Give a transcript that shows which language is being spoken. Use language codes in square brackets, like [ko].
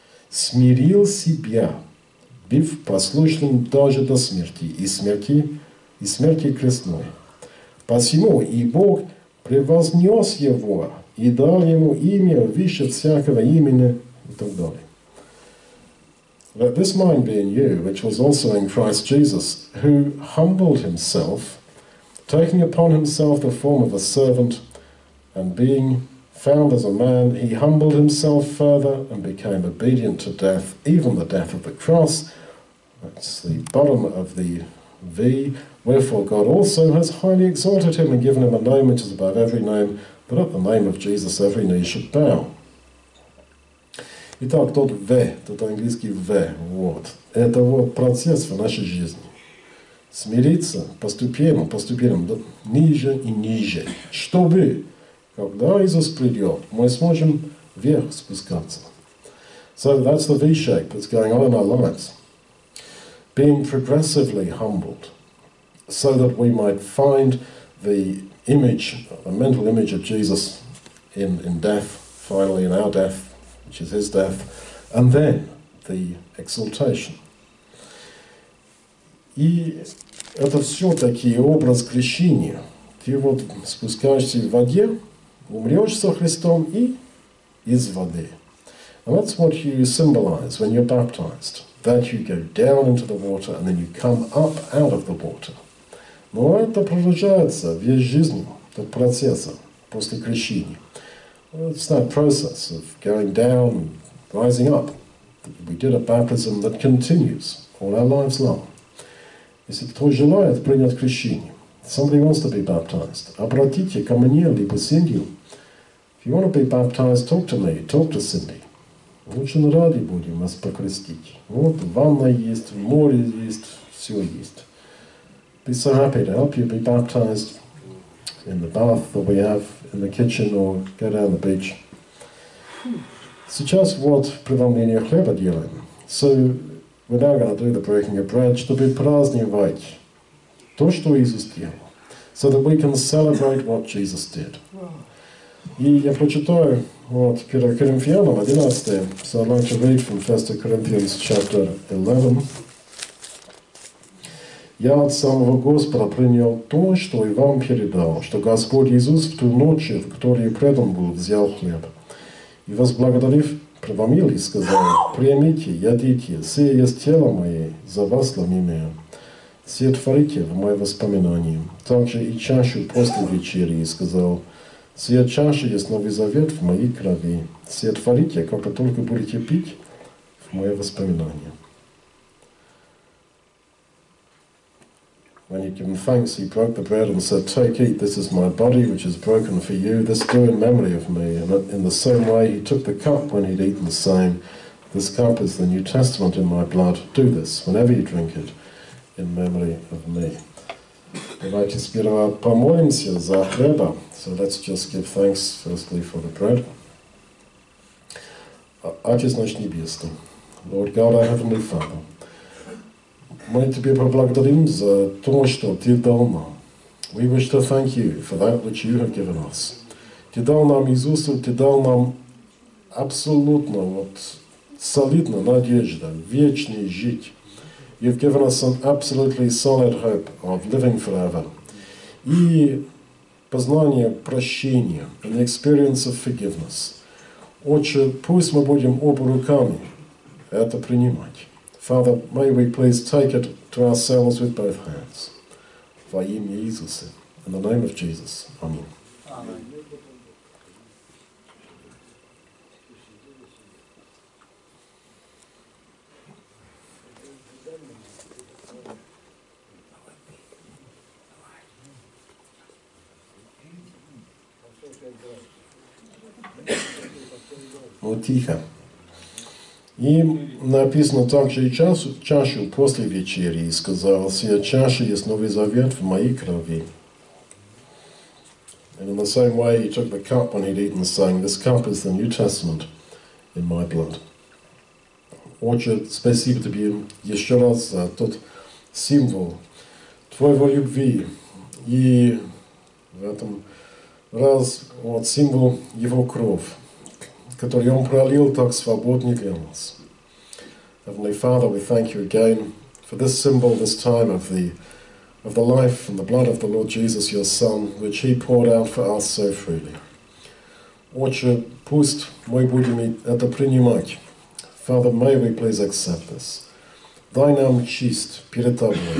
[ru] Смирил себя, быв послушным даже до смерти, и смерти крестной. Посему и Бог превознес его и дал ему имя выше всякого имени и так далее. [en] Let this mind be in you, which was also in Christ Jesus, who humbled himself, taking upon himself the form of a servant, and being found as a man, he humbled himself further and became obedient to death, even the death of the cross. That's the bottom of the V. Wherefore God also has highly exalted him and given him a name which is above every name, that at the name of Jesus every knee should bow. [ru] Итак, тот V, тот английский V, вот. Это вот процесс в нашей жизни. Смириться постепенно, постепенно, ниже и ниже. Чтобы когда Иисус придет, мы сможем вверх спускаться. [en] So that's the V-shape that's going on in our lives. Being progressively humbled, so that we might find the image, the mental image of Jesus in death, finally in our death, which is his death, and then the exaltation. [ru] И это все-таки образ крещения. Ты вот спускаешься в воде, умрешь со Христом и из воды. [en] And that's what you symbolize when you're baptized. That you go down into the water and then you come up out of the water. [ru] Но это продолжается весь жизнь, этот процесс после крещения. [en] It's that process of going down and rising up. We did a baptism that continues all our lives long. [ru] Если кто желает принять крещение, [en] somebody wants to be baptized, [ru] обратите ко мне, либо Синдию. [en] If you want to be baptized, talk to me, talk to Cindy. [ru] Лучше на ради будем вас покрестить. Вот ванна есть, море есть, все есть. [en] Be so happy to help you be baptized. in the bath that we have in the kitchen or go down the beach. [ru] Сейчас вот преломление хлеба делаем. [en] So we're now going to do the breaking of bread, [ru] чтобы праздновать то, что Иисус делал. [en] So that we can celebrate what Jesus did. [ru] И я прочитаю вот 1 Коринфянам 11. [en] So I'd like to read from 1 Corinthians chapter 11. [ru] Я от самого Господа принял то, что и вам передал, что Господь Иисус в ту ночь, в которую предан был, взял хлеб. И возблагодарив, преломил и сказал, «Примите, едите, сие есть тело мое, за вас ломимое. Сие творите в мое воспоминание». Также и чашу после вечери и сказал, «Сие чаша есть новый завет в моей крови. Сие творите, как только будете пить, в мое воспоминание». [en] When he gave thanks, he broke the bread and said, Take, eat, this is my body, which is broken for you. This do in memory of me. And in the same way, he took the cup when he'd eaten the same. This cup is the New Testament in my blood. Do this whenever you drink it in memory of me. [ru] Давайте сперва помолимся за хлеба. [en] So let's just give thanks, firstly, for the bread. [ru] Отец наш небесный, [en] Lord God, our Heavenly Father, [ru] мы тебе поблагодарим за то, что ты дал нам. [en] We wish to thank you for that which you have given us. [ru] Ты дал нам Иисуса, ты дал нам абсолютно, вот, солидно надежда, вечный жить. [en] You've given us an absolutely solid hope of living forever. [ru] И познание прощения, [en] an experience of forgiveness. [ru] Отче, пусть мы будем оба руками это принимать. [en] Father, may we please take it to ourselves with both hands. [ru] Во имя Иисуса. [en] In the name of Jesus. Amen. Amen. [ru] О, тихо. И написано также и чашу после вечери, и сказал, «Сия чаша есть новый завет в моей крови». [en] And in the same way he took the cup when he'd eaten, saying, «This cup is the New Testament in my blood». [ru] Отче, спасибо тебе еще раз за тот символ твоего любви. И в этом раз вот символ его кровь, который он пролил так свободно для нас. [en] Heavenly Father, we thank you again for this symbol, this time of the life and the blood of the Lord Jesus, your Son, which he poured out for us so freely. [ru] Отче, пусть мы будем это принимать. [en] Father, may we please accept this. [ru] Дай нам чист перед тобой.